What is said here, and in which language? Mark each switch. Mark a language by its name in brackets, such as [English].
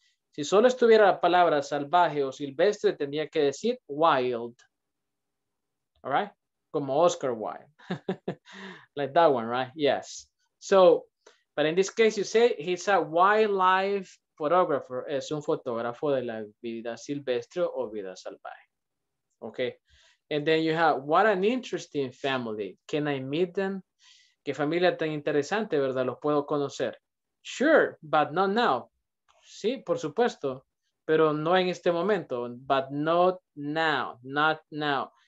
[Spanish] Si solo estuviera la palabra salvaje o silvestre, tendría que decir wild, [English] all right? [Spanish] Como Oscar Wilde, [English] like that one, right? Yes, so... But in this case, you say he's a wildlife photographer. [Spanish] Es un fotógrafo de la vida silvestre o vida salvaje. [English] Okay. And then you have, what an interesting family. Can I meet them? [Spanish] Qué familia tan interesante, ¿verdad? Los puedo conocer. [English] Sure, but not now. [Spanish] Sí, por supuesto. Pero no en este momento. [English] But not now. Not now.